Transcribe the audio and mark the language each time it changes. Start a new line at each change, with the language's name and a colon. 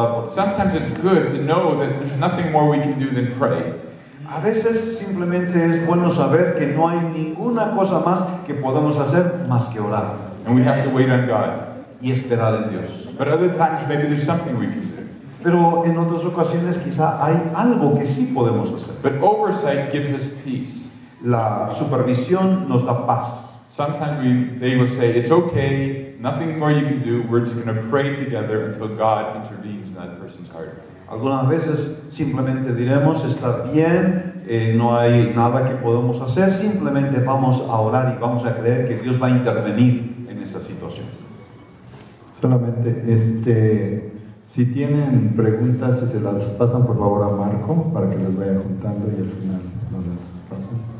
English: Sometimes it's good to know that there's nothing more we can do than pray.
Spanish: A veces simplemente es bueno saber que no hay ninguna cosa más que podamos hacer más que orar.
English: And we have to wait on God.
Spanish: Y esperar en Dios.
English: But other times, maybe there's something we can do.
Spanish: Pero en otras ocasiones quizá hay algo que sí podemos hacer.
English: But oversight gives us peace.
Spanish: La supervisión nos da paz.
English: Sometimes they will say, it's okay, nothing more you can do, we're just going to pray together until God intervenes in that person's heart.
Spanish: Algunas veces simplemente diremos, está bien, no hay nada que podemos hacer, simplemente vamos a orar y vamos a creer que Dios va a intervenir en esa situación. Solamente si tienen preguntas, si se las pasan por favor a Marco para que las vaya juntando y al final no las pasen.